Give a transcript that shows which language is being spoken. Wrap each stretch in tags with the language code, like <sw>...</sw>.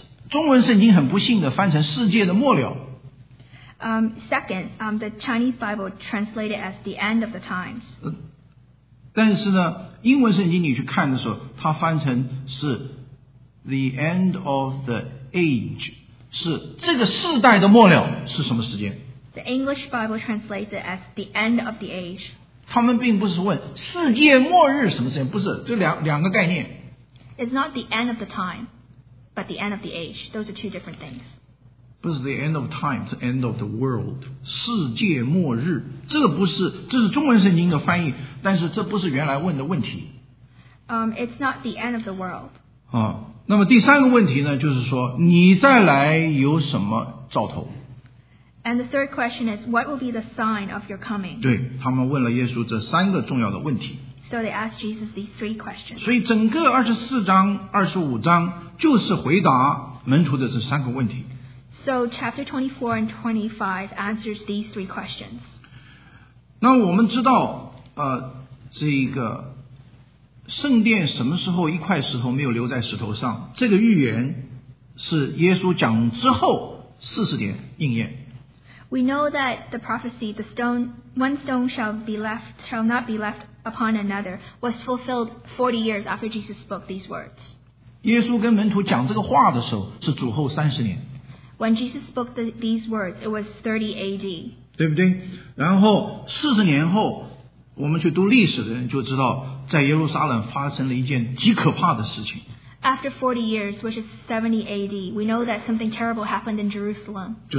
<zh>中文圣经很不幸地翻成世界的末了。</zh> <en>Second, the Chinese Bible translated as the end of the times.</en> <zh>但是呢, 英文圣经你去看的时候, 它翻成是</zh> <en>the end of the age,</en> <zh>是这个世代的末了是什么时间?</zh> <en>The English Bible translates it as the end of the age.</en> <zh>他们并不是问世界末日什么时间, 不是,这两个概念。</zh> <en>It's not the end of the time. But the end of the age. Those are two different things.</en> <zh>不是</zh> <en>the end of time, the end of the world.</en> <zh>世界末日, 这个不是, 这是中文圣经的翻译, 但是这不是原来问的问题。</zh> <en>It's not the end of the world.</en> <zh>那么第三个问题呢, 就是说, 你再来有什么兆头?</zh> <en>And the third question is, what will be the sign of your coming?</en> <zh>对, 他们问了耶稣这三个重要的问题。</zh> <en>So they asked Jesus these three questions.</en> <zh>所以整个 24章 25章 就是回答门徒的这三个问题。</zh> <en>So chapter 24 and 25 answers these three questions.</en> <zh>那我们知道 这个圣殿什么时候一块石头没有留在石头上, 这个预言是耶稣讲之后 40年应验。</zh> <en>We know that the prophecy, the stone, one stone shall be left, shall not be left upon another, was fulfilled 40 years after Jesus spoke these words.</en> <zh>耶稣跟门徒讲这个话的时候是主后30年。</zh> <en>When Jesus spoke these words, it was 30 AD.</en> <zh>对不对? 然后40年后, 我们去读历史的人就知道, 在耶路撒冷发生了一件极可怕的事情。</zh> <en>After 40 years, which is 70 AD, we know that something terrible happened in Jerusalem.</en>